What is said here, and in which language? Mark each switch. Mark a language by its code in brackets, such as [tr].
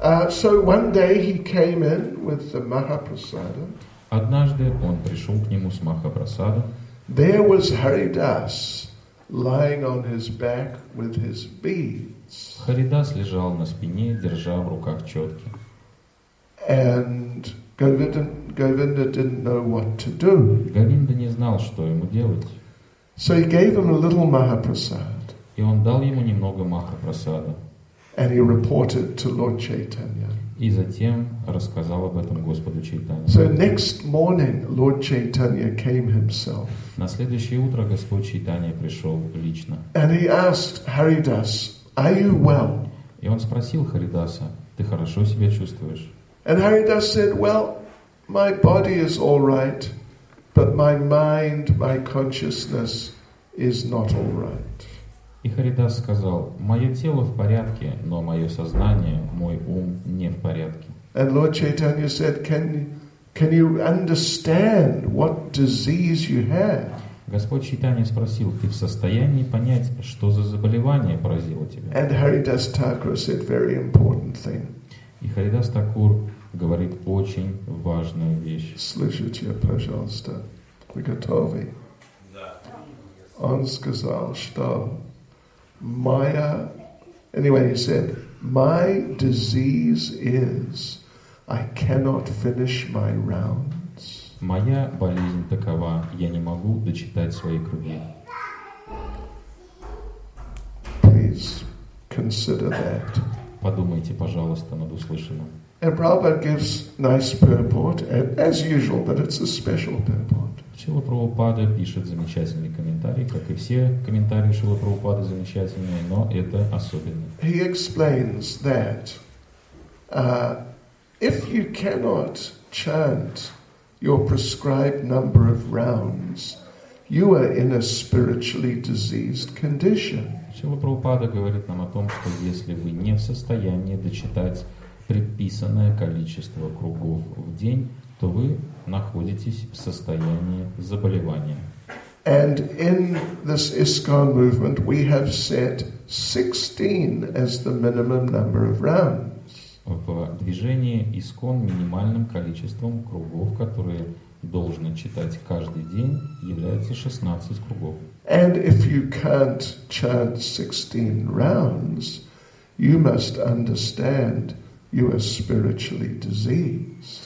[en] So one day he came in with the Mahaprasada. [ru] Однажды он пришел к нему с Махапрасада. [en] There was Haridas lying on his back with his beads. [ru] Харидас лежал на спине, держа в руках четки. [en] And Govinda didn't know what to do. [ru] Говинда не знал, что ему делать. [en] So he gave him a little Mahaprasada. [ru] И он дал ему немного Махапрасада. [en] And he reported to Lord Chaitanya. [ru] И затем рассказал об этом Господу Чайтанье. [en] So next morning Lord Chaitanya came himself. [ru] На следующее утро Господь Чайтанья пришел лично. [en] And he asked Haridas, "Are you well?" [ru] И он спросил Харидаса: "Ты хорошо себя чувствуешь?" [en] And Haridas said, "Well, my body is all right, but my mind, my consciousness is not all right." [ru] И Харидас сказал: "Мое тело в порядке, но мое сознание, мой ум не в порядке." [en] And Lord Chaitanya said, "Can you understand what disease you have?" [ru] Господь Чайтанья спросил: "Ты в состоянии понять, что за заболевание поразило тебя?" [en] And Haridas Thakur said very important thing. [ru] И Харидас Такур говорит очень важную вещь. Слышите, пожалуйста, вы готовы? Да. Он сказал, что моя... [en] Anyway, he said, my disease is I cannot finish my rounds. [ru] Моя болезнь такова, я не могу дочитать свои круги. [en] Please consider that. [ru] Подумайте, пожалуйста, над услышанным. [en] And Prabhupada gives nice purport, as usual, but it's a special purport. [ru] Шрила Прабхупада пишет замечательный комментарий, как и все комментарии Шрила Прабхупады замечательные, но это особенно. [en] He explains that if you cannot chant your prescribed number of rounds, you are in a spiritually diseased condition. [ru] Шрила Прабхупада говорит нам о том, что если вы не в состоянии дочитать предписанное количество кругов в день, то вы находитесь в состоянии заболевания. [en] And in this ISKCON movement we have set 16 as the minimum number of rounds. [ru] В движении ИСКОН минимальным количеством кругов, которые должны читать каждый день, является 16 кругов. [en] And if you can't chant 16 rounds, you must understand you are spiritually diseased.